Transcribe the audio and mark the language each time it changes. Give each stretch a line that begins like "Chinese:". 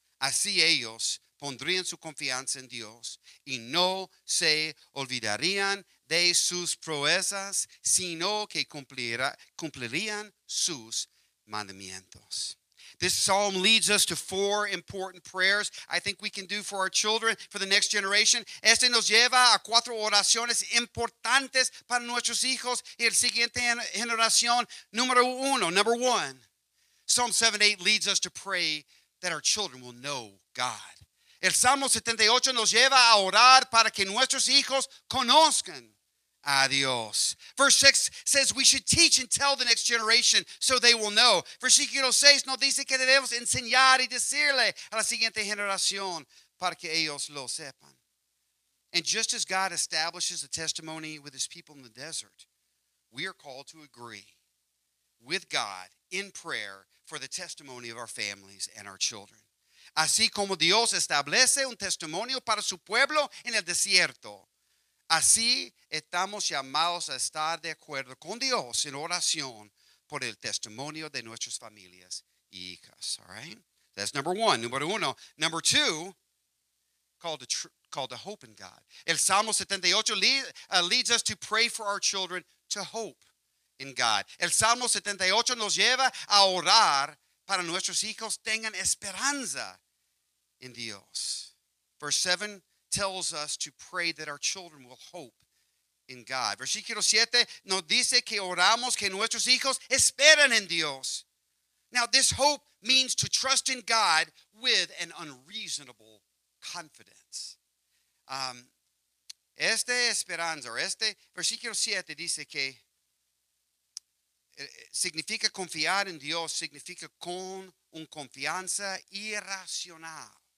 Spanish: Así ellos pondrían su confianza en Dios y no se olvidarían de sus proezas, sino que cumplirían sus mandamientos.
English: This psalm leads us to four important prayers I think we can do for our children, for the next generation.
Spanish: Este nos lleva a cuatro oraciones importantes para nuestros hijos y la siguiente generación. Número uno,
English: number one, Psalm 78 leads us to pray that our children will know God.
Spanish: El Salmo 78 nos lleva a orar para que nuestros hijos conozcan a Dios.
English: Verse 6 says we should teach and tell the next generation so they will know.
Spanish: Versículo 6 nos dice que debemos enseñar y decirle a la siguiente generación para que ellos lo sepan.
English: And just as God establishes a testimony with his people in the desert, we are called to agree with God in prayer for the testimony of our families and our children.
Spanish: Así como Dios establece un testimonio para su pueblo en el desierto, así estamos llamados a estar de acuerdo con Dios en oración por el testimonio de nuestras familias y hijas.
English: All right? That's number one.
Spanish: Número uno.
English: Number two, called to hope in God.
Spanish: El Salmo 78
English: leads us to pray for our children to hope in God.
Spanish: El Salmo 78 nos lleva a orar para nuestros hijos tengan esperanza en Dios.
English: Verse 7 tells us to pray that our children will hope in God.
Spanish: Versículo 7 nos dice que oramos que nuestros hijos esperen en Dios.
English: Now, this hope means to trust in God with an unreasonable confidence.
Spanish: Esta esperanza, versículo 7 dice que significa confiar en Dios, significa con un confianza irracional.